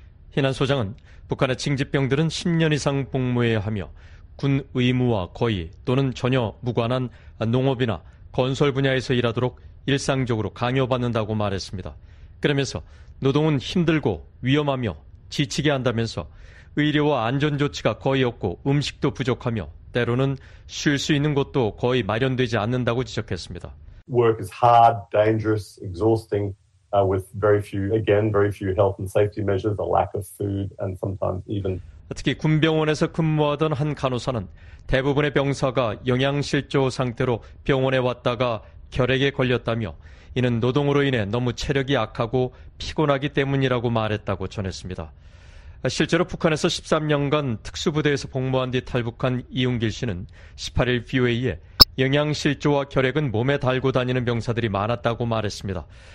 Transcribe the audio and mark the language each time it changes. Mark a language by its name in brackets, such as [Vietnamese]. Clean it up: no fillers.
[Korean] 히난 소장은 북한의 징집병들은 10년 이상 복무해야 하며 군 의무와 거의 또는 전혀 무관한 농업이나 건설 분야에서 일하도록 일상적으로 강요받는다고 말했습니다. 그러면서 노동은 힘들고 위험하며 지치게 한다면서 의료와 안전조치가 거의 없고 음식도 부족하며 때로는 쉴 수 있는 곳도 거의 마련되지 않는다고 지적했습니다. [English] Work is hard, dangerous, exhausting, with very few health and safety measures, a lack of food, and sometimes even [Korean] 특히 군병원에서 근무하던 한 간호사는 대부분의 병사가 영양실조 상태로 병원에 왔다가 결핵에 걸렸다며 이는 노동으로 인해 너무 체력이 약하고 피곤하기 때문이라고 말했다고 전했습니다. 실제로 북한에서 13년간 특수부대에서 복무한 뒤 탈북한 이웅길 씨는 18일 VOA에 영양실조와 결핵은 몸에 달고 다니는 병사들이 많았다고 말했습니다.